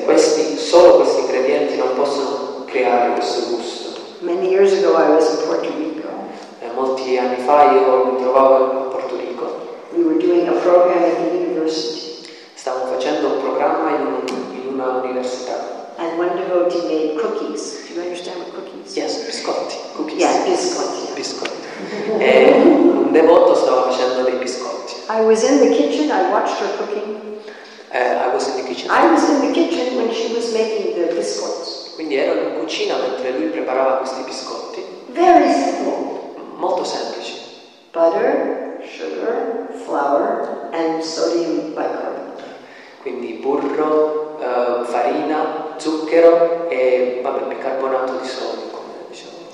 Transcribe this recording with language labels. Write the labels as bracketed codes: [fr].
[it] Questi, solo questi ingredienti non possono creare questo gusto. [en] Many years ago I was in Puerto Rico. [it] E molti anni fa io mi trovavo in Puerto Rico. [en] We were doing a program at the university. [it] Stavo facendo un programma in una università. [en] And one devotee made cookies. Do you understand what cookies? Yes, biscotti. Cookies. Yeah, biscotti. Yeah. [it] Biscotti. E un devoto stava facendo dei biscotti. [en] I was in the kitchen, I watched her cooking. I was in the kitchen. I was in the kitchen when she was making the biscotti. [it] Quindi ero in cucina mentre lui preparava questi biscotti. [en] Very simple. [it] Molto semplice. [en] Butter, sugar, flour and sodium bicarbonate. [it] Quindi burro, farina, zucchero e vabbè, bicarbonato di sodio, come diciamo.